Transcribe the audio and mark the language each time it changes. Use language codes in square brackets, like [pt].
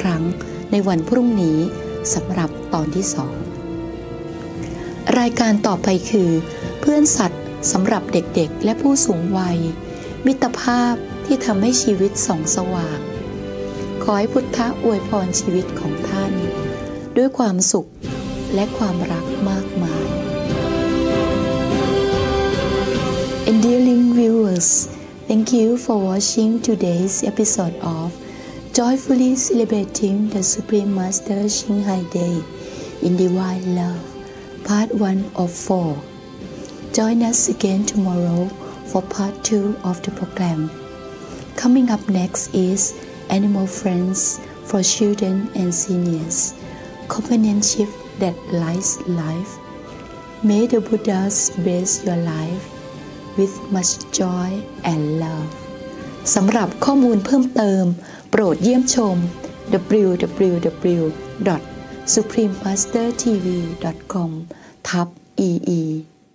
[th] ผู้ชมผู้เป็นที่รักขอบคุณที่รับชมรายการในวันนี้การเฉลิมฉลองวันอนุตตรจารย์ชิงไฮอย่างมีความสุขในความรักแห่งสวรรค์ตอนที่หนึ่งของสี่ตอนโปรดติดตามรับชมอีกครั้งในวันพรุ่งนี้ สำหรับตอนที่สองรายการต่อไปคือเพื่อนสัตว์สำหรับเด็กๆและผู้สูงวัยมิตรภาพที่ทำให้ชีวิตส่องสว่างขอให้พุทธะอวยพรชีวิตของท่านด้วยความสุขและความรักมากมาย [en] And dear Ling viewers, thank you for watching today's episode of Joyfully Celebrating the Supreme Master Ching Hai Day in Divine Love, Part 1 of 4. Join us again tomorrow for Part 2 of the program. Coming up next is Animal Friends for Children and Seniors, Companionship that Lights Life. May the Buddhas bless your life with much joy and love. [th] สำหรับข้อมูลเพิ่มเติมโปรดเยี่ยมชม www.suprememastertv.com/ee